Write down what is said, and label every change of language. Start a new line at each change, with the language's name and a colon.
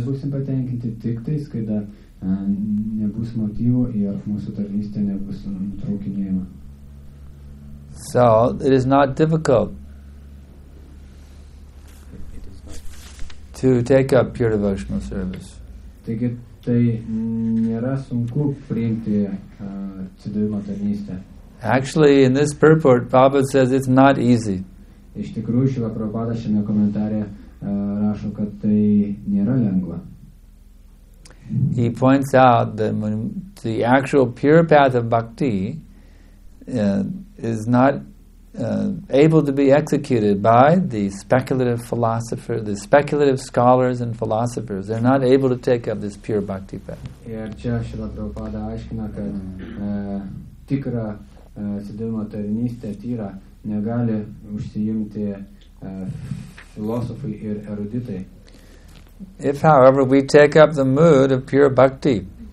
Lithuanian: Mes būsim patenkinti tik tais, kada nebus motyvo ir mūsų tarnystė nebus nutraukinėjama.
English: So, it is not difficult to take up pure devotional service.
Lithuanian: Taigi, tai nėra sunku priimti atsidavimo tarnystę.
English: Actually, in this purport, Prabhupada says it's not easy.
Lithuanian: Iš tikrųjų, Šrila Prabhupada šiame komentare rašo, kad tai nėra lengva.
English: He points out that the actual pure path of bhakti is not able to be executed by the speculative philosopher, the speculative scholars and philosophers. They're not able to take up this pure bhakti path.
Lithuanian: Ir čia Šrila Prabhupada aiškina, kad tikra atsidavimo tarnystė tyra negali užsiimti filosofai ir eruditai.
English: If, however, we take up the mood of pure bhakti,